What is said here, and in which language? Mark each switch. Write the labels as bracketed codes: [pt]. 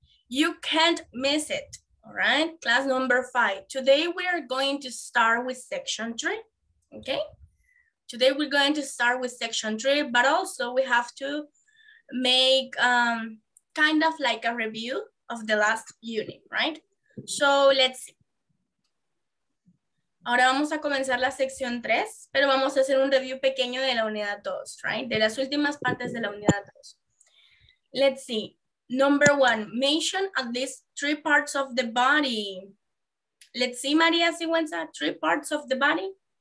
[en] You can't miss it. All right, class number 5. Today we are going to start with section 3, okay? Today we're going to start with section 3, but also we have to make kind of like a review of the last unit, right? So let's see. [es] Ahora vamos a comenzar la sección 3, pero vamos a hacer un review pequeño de la unidad 2, right? De las últimas partes de la unidad 2. [en] Let's see. Number 1, mention at least 3 parts of the body. Let's see, Maria Sigüenza, 3 parts of the body.